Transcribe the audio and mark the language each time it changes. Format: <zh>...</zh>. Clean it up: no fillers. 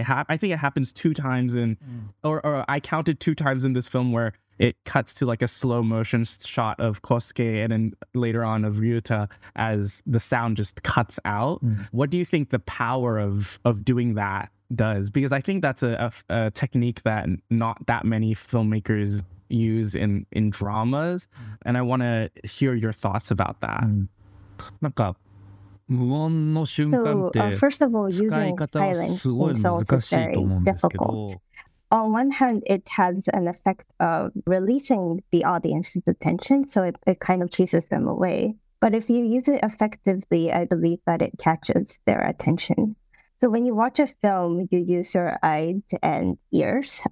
<en>I think it happens two times in, or I counted two times in this film where it cuts to like a slow motion shot of Kosuke and then later on of Ryuta as the sound just cuts out. What do you think the power of doing that does? Because I think that's a technique that not that many filmmakers... use in dramas, and I want to hear your thoughts about that.</en> <ja>なんか無音の瞬間って</ja> <en>first of all,</en> <ja>使い方はすごい難しいと思うんですけど</ja> <en>using silence is very difficult. On one hand, it has an effect of releasing the audience's attention, so it kind of chases them away. But if you use it effectively, I believe that it catches their attention. So when you watch a film, you use your eyes and ears.</en>